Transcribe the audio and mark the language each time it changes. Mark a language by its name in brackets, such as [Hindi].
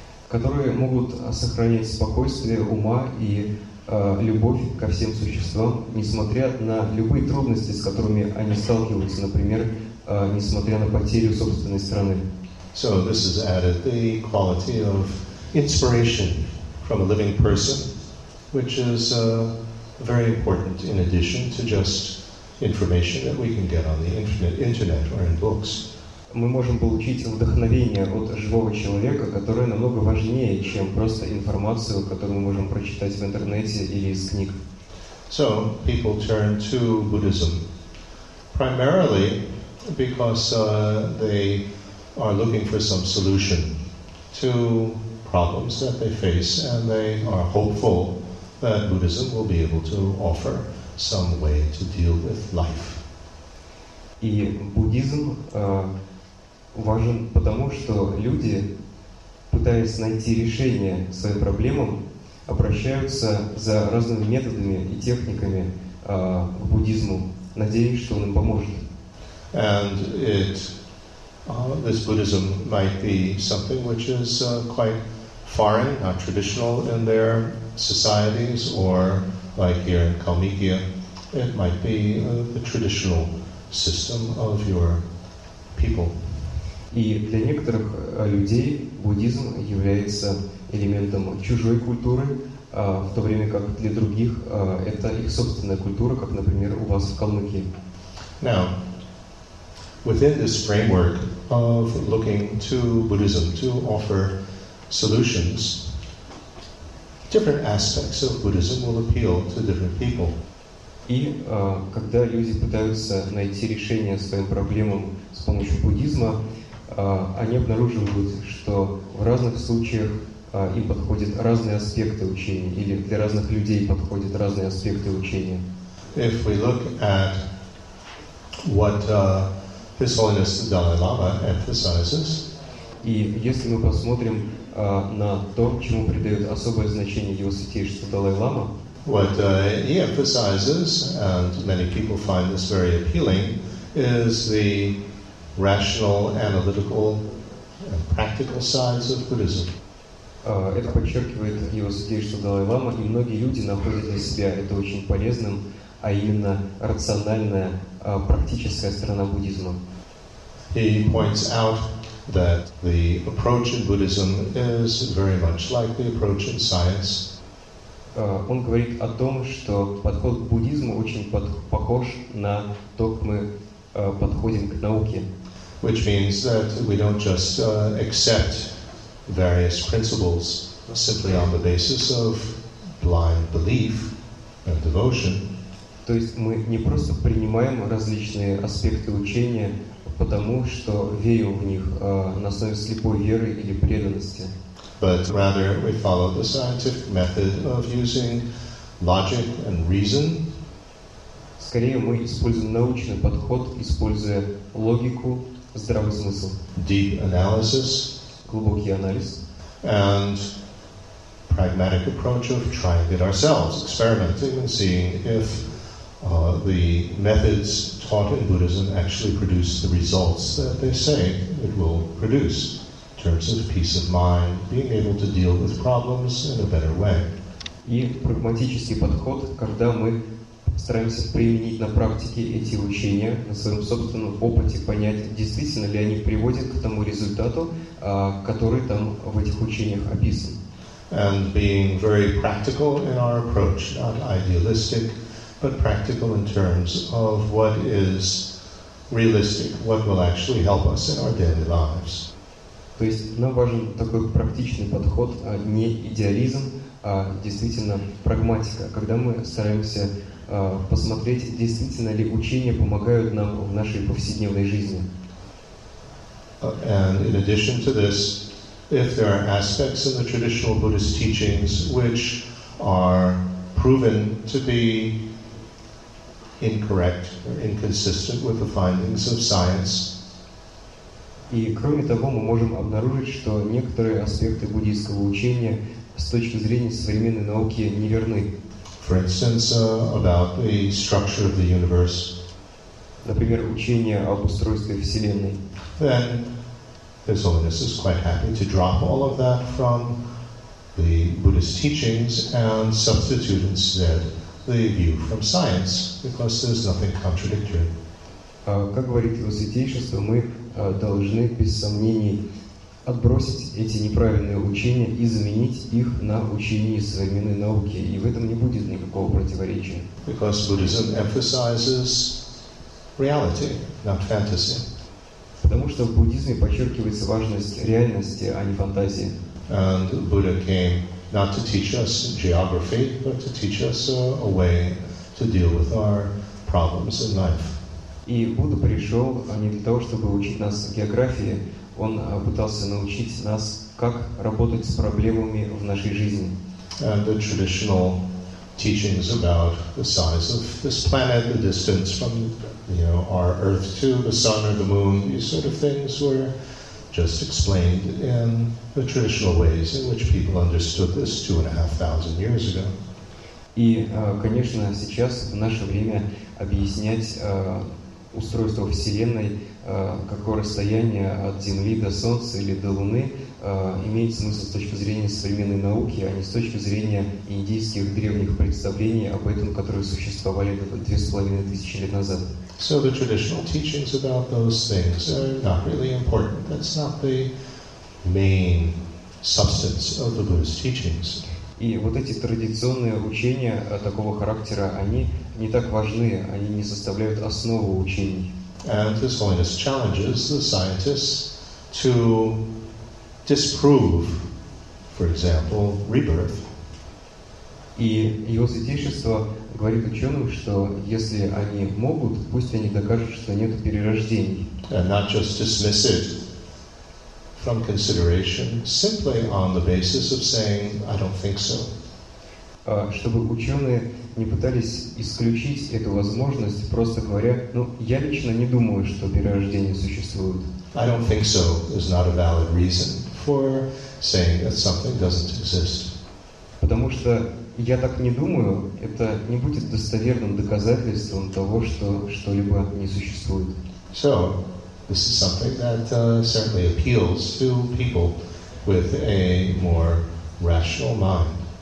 [Russian] Которые могут сохранять спокойствие ума и любовь ко всем существам, несмотря на любые трудности, с которыми они сталкиваются, например, несмотря на потерю собственной страны. [English] So this has added the quality of inspiration from a living person, which is very important in addition to just information that we can get on the internet or in books. [Russian] Мы можем получить вдохновение от живого человека, которое намного важнее, чем просто информацию, которую мы можем прочитать в интернете или из книг. [English] So people turn to Buddhism primarily because they are looking for some solution to problems that they face, and they are hopeful that Buddhism will be able to offer some way to deal with life. [Russian] И буддизм важен потому, что люди, пытаясь найти решение своим проблемам, обращаются за разными методами и техниками к буддизму, надеясь, что он им поможет. [English] And it, this Buddhism might be something which is quite foreign, not traditional in their societies, or like here in Kalmykia, it might be the traditional system of your people. [Russian] И для некоторых людей буддизм является элементом чужой культуры, в то время как для других это их собственная культура, как, например, у вас в Калмыкии. [English] Now, within this framework of looking to Buddhism to offer solutions, different aspects of Buddhism will appeal to different people. [Russian] И когда люди пытаются найти решение своим проблемам с помощью буддизма, они обнаруживают, что в разных случаях им подходят разные аспекты учения, или для разных людей подходят разные аспекты учения. [English] If we look at what His Holiness the Dalai Lama emphasizes, [Russian] и если мы посмотрим на то, чему придает особое значение Его Святейшество Далай-Лама. [English] What he emphasizes, and many people find this very appealing, is the rational, analytical, and practical sides of Buddhism. [Russian] Это подчеркивает Его Святейшество Далай-Лама, и многие люди находят для себя это очень полезным, а именно рациональная, практическая сторона буддизма. [English] He points out that the approach in Buddhism is very much like the approach in science. [Russian] Он говорит о том, что подход к буддизму очень похож на то, как мы подходим к науке. [English] Which means that we don't just accept various principles simply on the basis of blind belief and devotion. [Russian] То есть мы не просто принимаем различные аспекты учения потому что верю в них на основе слепой веры или преданности. [English] But rather we follow the scientific method of using logic and reason. [Russian] Скорее мы используем научный подход, используя логику, здравый смысл. [English] Deep analysis. [Russian] Глубокий анализ. [English] And pragmatic approach of trying it ourselves, experimenting and seeing if the methods taught in Buddhism actually produce the results that they say it will produce in terms of peace of mind, being able to deal with problems in a better way. [Russian] И прагматический подход, когда мы стараемся применить на практике эти учения, на своем собственном опыте понять, действительно ли они приводят к тому результату, который там в этих учениях описан. [English] And being very practical in our approach, not idealistic, but practical in terms of what is realistic, what will actually help us in our daily lives. [Russian] То есть нам важен такой практичный подход, а не идеализм, а действительно прагматика, когда мы стараемся посмотреть, действительно ли учения помогают нам в нашей повседневной жизни. [English] And in addition to this, if there are aspects in the traditional Buddhist teachings which are proven to be incorrect or inconsistent with the findings of science. [Russian] И кроме того, мы можем обнаружить, что некоторые аспекты буддийского учения с точки зрения современной науки неверны. [English] For instance, about the structure of the universe. [Russian] Например, учение об устройстве Вселенной. [English] Then His Holiness is quite happy to drop all of that from the Buddhist teachings and substitute instead the view from science, because there's nothing contradictory. [Russian] Как говорит Его Святейшество, мы должны без сомнений отбросить эти неправильные учения и заменить их на учения современной науки, и в этом не будет никакого противоречия. [English] Because Buddhism emphasizes reality, not fantasy. [Russian] Потому что в буддизме подчеркивается важность реальности, а не фантазии. [English] And Buddha came not to teach us geography, but to teach us a way to deal with our problems in life. [Russian] И Будда пришел не для того, чтобы учить нас географии. Он пытался научить нас, как работать с проблемами в нашей жизни. [English] And the traditional teachings about the size of this planet, the distance from our Earth to the Sun or the Moon, these sort of things were just explained in the traditional ways in which people understood this 2,500 years ago. [Russian] И, конечно, сейчас в наше время объяснять устройство Вселенной, какое расстояние от Земли до Солнца или до Луны, имеет смысл с точки зрения современной науки, а не с точки зрения индийских древних представлений об этом, которые существовали 2,500 лет назад. [English] So the traditional teachings about those things are not really important. That's not the main substance of the Buddhist teachings. [Russian] И вот эти традиционные учения такого характера, они не так важны, они не составляют основу учений. [English] And His Holiness challenges the scientists to disprove, for example, rebirth. [Russian] И Его Святейшество говорит ученым, что если они могут, пусть они докажут, что нет перерождений. [English] And not just dismiss it from consideration, simply on the basis of saying, I don't think so. [Russian] Чтобы ученые не пытались исключить эту возможность, просто говоря, я лично не думаю, что перерождения существуют. [English] I don't think so is not a valid reason for saying that something doesn't exist. [Russian] Потому что я так не думаю, это не будет достоверным доказательством того, что что-либо не существует. [English] So, this is something that certainly appeals to people with a more rational mind.